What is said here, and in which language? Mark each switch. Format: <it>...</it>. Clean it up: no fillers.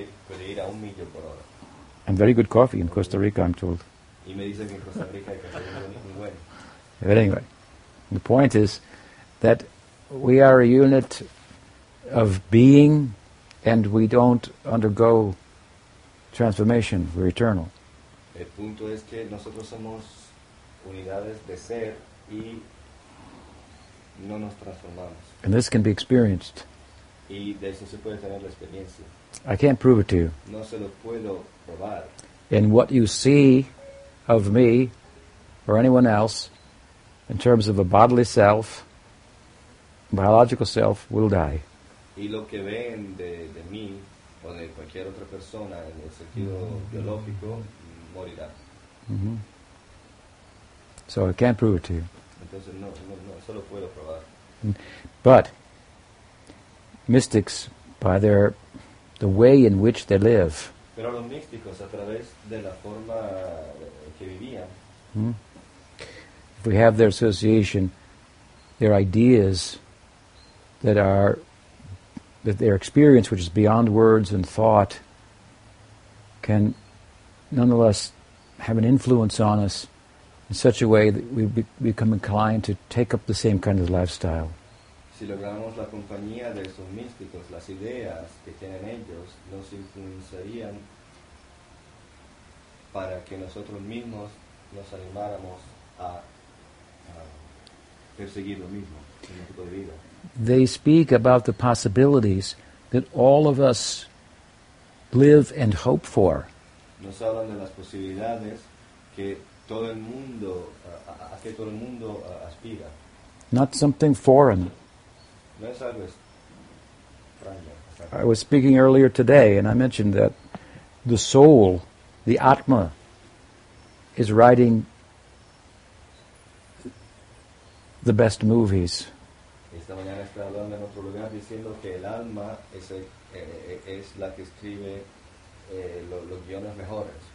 <en>And very good coffee in Costa Rica, I'm told. But anyway, the point is that we are a unit of being and we don't undergo transformation. We're eternal.</en> <es>El punto es que nosotros somos unidades de ser. Y no nos transformamos.</es> <en>And this can be experienced.</en> <es>Y de eso se puede tener la experiencia.</es> <en>I can't prove it to you.</en> <es>No se lo puedo probar.</es> <en>And what you see of me or anyone else in terms of a bodily self, biological self, will die.</en> <es>Y lo que ven de mí o de cualquier otra persona en el sentido biológico, morirá.</es> <en>Mm-hmm. So I can't prove it to you.</en> <es>Entonces no se lo puedo probar.</es> <en>But mystics, by the way in which they live,</en> <es>pero los místicos, a través de la forma que vivían,</es> <en>if we have their association, their ideas that are, that their experience, which is beyond words and thought, can nonetheless have an influence on us in such a way that we become inclined to take up the same kind of lifestyle.</en> <es>Si logramos la compañía de esos místicos, las ideas que tienen ellos nos influenciarían para que nosotros mismos nos animáramos a perseguir lo mismo, el tipo de vida.</es> <en>They speak about the possibilities that all of us live and hope for.</en> <es>Nos hablan de las posibilidades que todo el mundo, a que todo el mundo aspira.</es> <en>Not something foreign.</en> <es>No es algo extraño.</es> <en>I was speaking earlier today and I mentioned that the soul, the Atma, is writing the best movies.</en> <es>Esta mañana estaba hablando en otro lugar diciendo que el alma es, es la que escribe los guiones mejores.</es>